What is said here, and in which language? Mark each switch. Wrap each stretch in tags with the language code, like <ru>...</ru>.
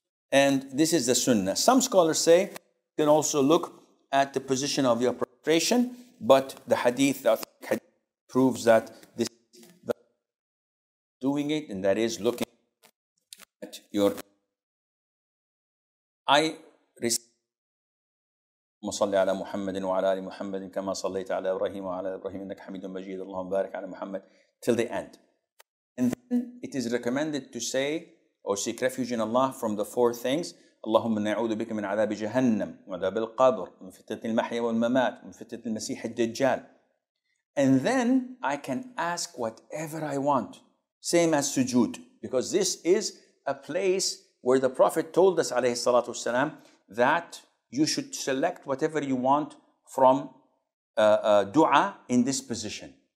<en>And this is the sunnah. Some scholars say you can also look at the position of your prostration, but the hadith, proves that this is the doing it, and that is looking at your. I recite,</en> <ar>مصلي على محمد وعلى آل محمد كما صليت على إبراهيم وعلى إبراهيم إنك حميد مجيد اللهم بارك على محمد</ar> <en>till the end. And then it is recommended to say or seek refuge in Allah from the four things.</en> <ar>اللهم نعوذ بك من عذاب جهنم وعذاب القبر من فتنة المحيا والممات من فتنة المسيح الدجال.</ar> <en>And then I can ask whatever I want, same as sujood, because this is a place where the Prophet told us</en> <ar>عليه الصلاة والسلام</ar> <en>that you should select whatever you want from dua in this position.</en>